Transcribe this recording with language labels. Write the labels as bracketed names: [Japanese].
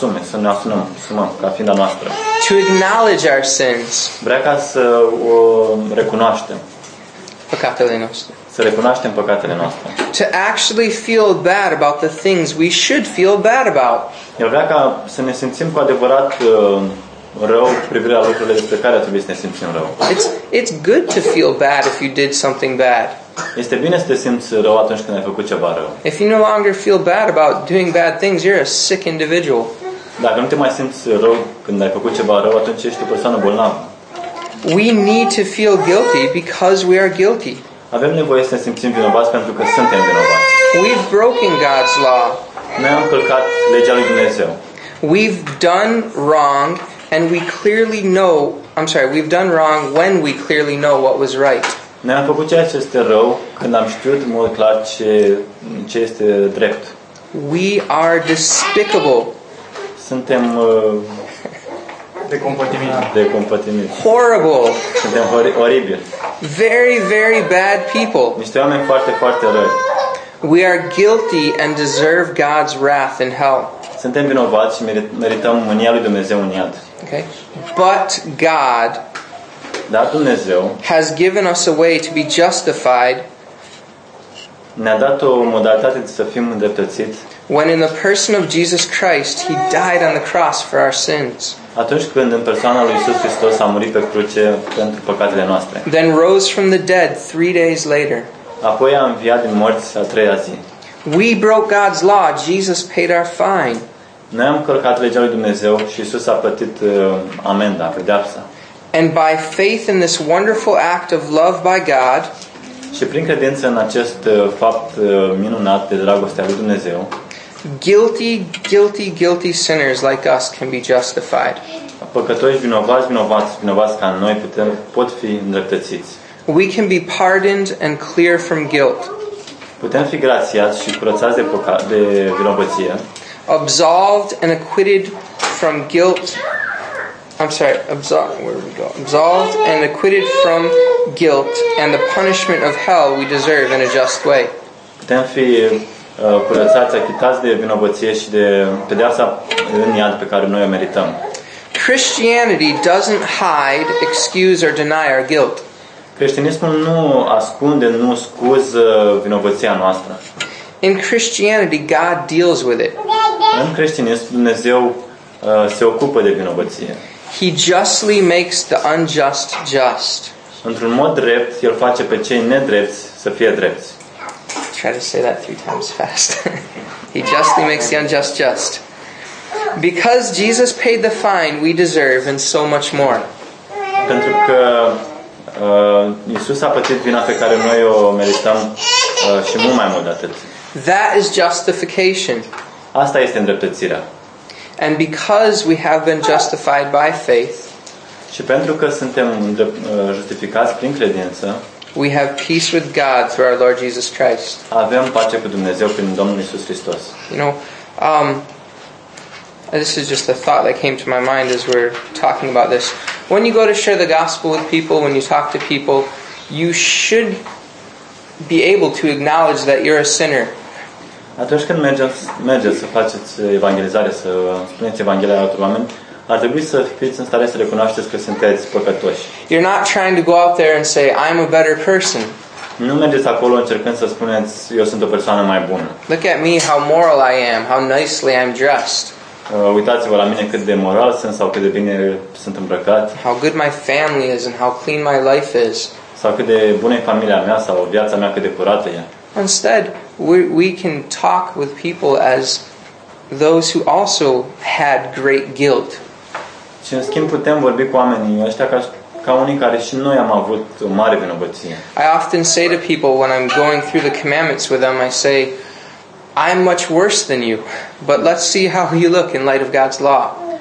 [Romanian] Să ne asumăm ca fiind a noastră. [English] To acknowledge our sins. [Romanian] Vrea ca să o recunoaștem. Păcatele noastre. Să recunoaștem păcatele noastre. [English] To actually feel bad about the things we should feel bad about. [Romanian] El vrea ca să ne simțim cu adevărat rău privire la lucrurile despre care trebuie să ne simțim rău. [English] It's good to feel bad if you did something bad. [Romanian] Este bine să te simți rău atunci când ai făcut ceva rău. [English] If you no longer feel bad about doing bad things, you're a sick individual. [Romanian] Dacă nu te mai simți rău când ai făcut ceva rău, atunci ești o persoană bolnavă. [English] We need to feel guilty because we are guilty. [Romanian] Avem nevoie să ne simțim vinovați pentru că suntem vinovați. [English] We've broken God's law. [Romanian] Ne-am încălcat legea lui Dumnezeu. [English] We've done wrong and we clearly know, I'm sorry, we've done wrong when we clearly know what was right. [Romanian] Ne-am făcut ceea ce este rău când am știut mult clar ce este drept. [English] We are despicable. [Romanian] Suntem decompătimiți. [English] Horrible. [Romanian] Suntem oribili. [English] Very, very bad people. [Romanian] Niște oameni foarte, foarte răi. [English] We are guilty and deserve God's wrath in hell. [Romanian] Suntem vinovați și merităm mânia lui Dumnezeu în iad. [English] Okay. But God, [Romanian] dar Dumnezeu, [English] has given us a way to be justified. [Romanian] Ne-a dat o modalitate să fim îndreptățiți. [English] When in the person of Jesus Christ, he died on the cross for our sins. [Romanian] Atunci când în persoana lui Iisus Hristos a murit pe cruce pentru păcatele noastre. [English] Then rose from the dead 3 days later. [Romanian] Apoi a înviat din morți a treia zi. [English] We broke God's law. Jesus paid our fine. [Romanian] Noi am încălcat legea lui Dumnezeu și Iisus a plătit amenda, pedeapsa. [English] And by faith in this wonderful act of love by God, [Romanian] și prin credință în acest fapt minunat de dragostea lui Dumnezeu, [English] guilty, guilty, guilty sinners like us can be justified. [Romanian] Păcătoși vinovați, vinovați, vinovați ca noi putem, pot fi îndreptățiți. [English] We can be pardoned and clear from guilt. [Romanian] Putem fi grațiați și curățați de vinovăție. [English] Absolved and acquitted from guilt. I'm sorry, absolved and acquitted from guilt and the punishment of hell we deserve in a just way. [Romanian] Putem fi curățați, achitați de vinovăție și de pedeapsa în iad pe care noi o merităm. [English] Christianity doesn't hide, excuse or deny our guilt. [Romanian] Creștinismul nu ascunde, nu scuză vinovăția noastră. [English] In Christianity, God deals with it. [Romanian] În creștinism, Dumnezeu se ocupă de vinovăție. [English] He justly makes the unjust just. [Romanian] Într-un mod drept, El face pe cei nedrepți să fie drepți. [English] Try to say that three times fast. He justly makes the unjust just. Because Jesus paid the fine we deserve and so much more. [Romanian] Pentru că Iisus a plătit vina pe care noi o merităm și mult mai mult de atât. [English] That is justification. [Romanian] Asta este îndreptățirea. [English] And because we have been justified by faith, [Romanian] și pentru că suntem justificați prin credință, [English] we have peace with God through our Lord Jesus Christ. [Romanian] Avem pace cu Dumnezeu prin Domnul Iisus Hristos. [English] You know, this is just a thought that came to my mind as we're talking about this. When you go to share the gospel with people, when you talk to people, you should be able to acknowledge that you're a sinner. [Romanian] Atunci când mergeți să faceți evanghelizare, să spuneți evanghelia altor oameni, ar trebui să fiți în stare să recunoașteți că sunteți păcătoși. [English] You're not trying to go out there and say I'm a better person. [Romanian] Nu mergeți acolo încercând să spuneți eu sunt o persoană mai bună. [English] Look at me, how moral I am, how nicely I'm dressed. [Romanian] Uitați-vă la mine cât de moral sunt sau cât de bine sunt îmbrăcat. [English] How good my family is and how clean my life is. [Romanian] Sau cât de bună e familia mea sau viața mea cât de curată e. [English] Instead, we can talk with people as those who also had great guilt. [Romanian] Și în schimb putem vorbi cu oamenii ăștia ca unii care și noi am avut o mare vinovăție. [English] I often say to people when I'm going through the commandments with them, I say, I'm much worse than you, but let's see how you look in light of God's law.